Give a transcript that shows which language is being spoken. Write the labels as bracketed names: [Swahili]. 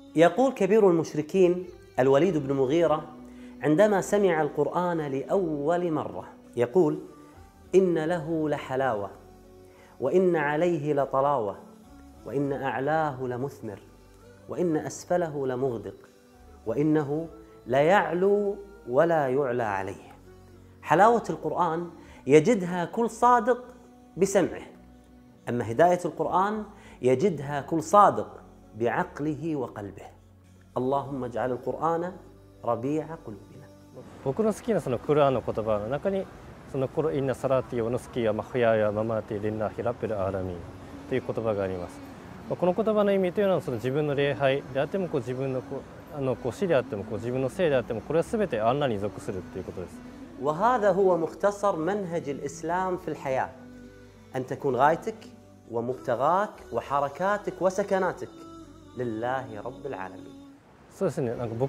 [Arabic] يقول كبير المشركين الوليد بن مغيرة عندما سمع القرآن لأول مرة يقول إن له لحلاوة وإن عليه لطلاوة وإن أعلاه لمثمر وإن أسفله لمغدق وإنه لا يعلو ولا يعلى عليه. حلاوة القرآن يجدها كل صادق بسمعه، أما هداية القرآن يجدها كل صادق بعقله وقلبه. اللهم اجعل القرآن ربيع قلوبنا. [Japanese] 僕の好きなその言葉の中にその心 [Arabic] إن صلاتي ونسكي ومحياي ومماتي لله رب العالمين [Japanese] ということがあります。この言葉の意味というのはその自分の礼拝であっても自分のあの腰であっても自分の姓であってもこれは全てアンナに属するということです。 [Arabic] وهذا هو مختصر منهج الإسلام في الحياة، أن تكون غايتك ومبتغاك وحركاتك وسكناتك لله رب العالمين.